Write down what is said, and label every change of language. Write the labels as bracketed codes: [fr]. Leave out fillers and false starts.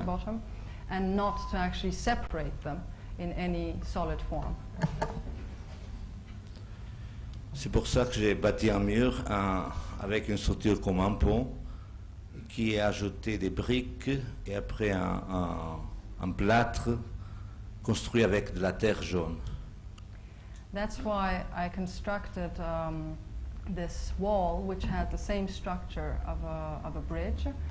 [en] the bottom, and not to actually separate them in any solid form. [fr] C'est pour ça que j'ai bâti un mur avec une structure comme un pont qui a ajouté des briques et après un plâtre construit avec de la terre jaune. [en] That's why I constructed this wall which had the same structure of a bridge.